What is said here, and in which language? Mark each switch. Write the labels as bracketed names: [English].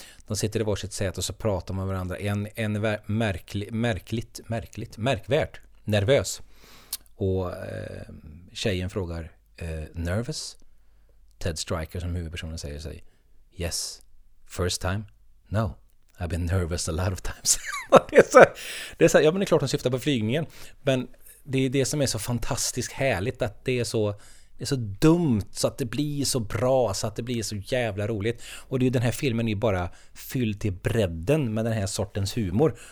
[Swedish] De sitter i varsitt säte och så pratar med varandra. En är märkvärt nervös. Och tjejen frågar, nervous? Ted Stryker som huvudpersonen säger, [English] yes, first time, No, I've been nervous a lot of times. [Swedish] det är så här, ja, men det är klart att syftar på flygningen. Men det är det som är så fantastiskt härligt, att det är så dumt så att det blir så bra, så att det blir så jävla roligt. Och det är ju, den här filmen är ju bara fylld till bredden med den här sortens humor.